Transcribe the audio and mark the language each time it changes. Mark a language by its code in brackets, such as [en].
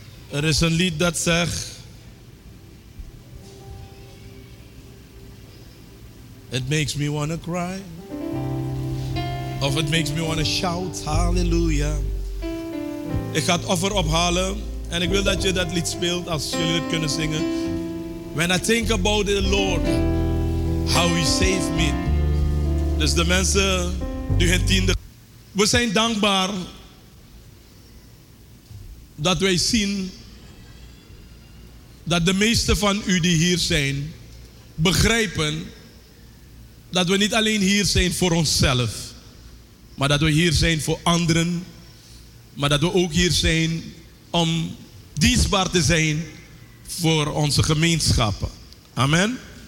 [nl] Er is een lied dat zegt: [en] it makes me wanna cry. [nl] Of [en] it makes me wanna shout. [nl] Halleluja. Ik ga het offer ophalen. En ik wil dat je dat lied speelt als jullie het kunnen zingen. [en] When I think about the Lord, how he saved me. [nl] Dus de mensen die hun tiende. We zijn dankbaar dat wij zien dat de meesten van u die hier zijn, begrijpen dat we niet alleen hier zijn voor onszelf, maar dat we hier zijn voor anderen, maar dat we ook hier zijn om dienstbaar te zijn voor onze gemeenschappen. Amen.